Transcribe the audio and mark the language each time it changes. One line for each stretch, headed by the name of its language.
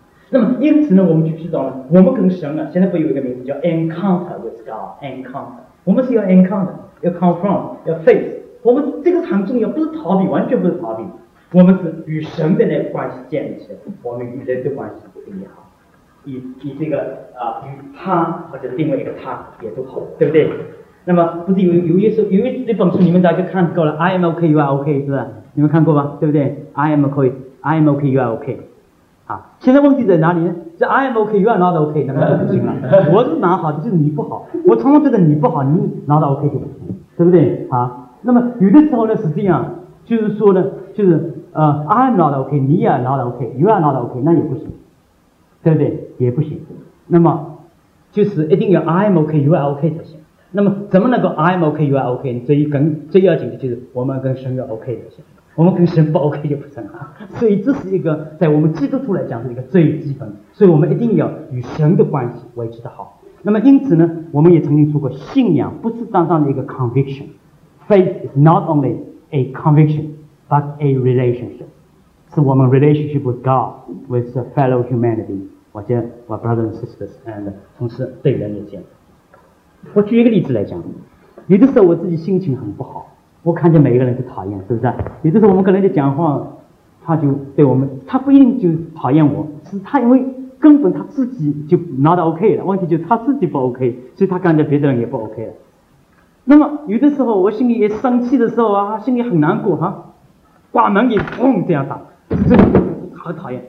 Chinese: 那么因此呢，我们就知道呢，我们跟神啊，现在不有一个名字叫
English: encounter with God，
Chinese: encounter，我们是要 encounter， 要 confront， 要 face， 我们这个很重要，不是逃避，完全不是逃避，我们是与神的那个关系建立起来，我们与人的关系也好，以这个与他或者另外一个他也都好，对不对？那么不是有一首有一本书你们大家看过了，
English: I am OK You are OK
Chinese: 是吧，你们看过吧，对不对？
English: I am OK I am OK You are OK，
Chinese: 啊，现在问题在哪里呢？这
English: I am OK You are not OK，
Chinese: 那么就不行了，我是蛮好的，就是你不好，我常常觉得你不好，你拿到 OK 就不行，对不对啊？那么有的时候呢是这样，就是说呢，就是
English: I am not OK，
Chinese: 你也 not OK，
English: You are not OK，
Chinese: 那也不行，对不对？也不行。那么就是一定要
English: I am OK You are OK
Chinese: 才行。那么怎么能够
English: I am OK You are OK？
Chinese: 最要紧的就是我们跟神要 OK 才行，我们跟神不 OK 就不成了，所以这是一个在我们基督徒来讲是一个最基本，所以我们一定要与神的关系维持得好。那么因此呢，我们也曾经说过，信仰不是单单的一个 conviction，
English: faith is not only a conviction but a relationship，
Chinese: 是我们
English: relationship with God with the fellow humanity，
Chinese: 我觉得
English: brothers and sisters and
Chinese: 同时对人也这样。我举一个例子来讲，有的时候我自己心情很不好，我看见每一个人都讨厌，是不是？也就是我们跟人家讲话，他就对我们，他不一定就讨厌我，是他因为根本他自己就 not OK 了，问题就是他自己不 OK， 所以他感觉别的人也不 OK 了。那么有的时候我心里也生气的时候啊，心里很难过哈，挂门也砰这样打，好讨厌。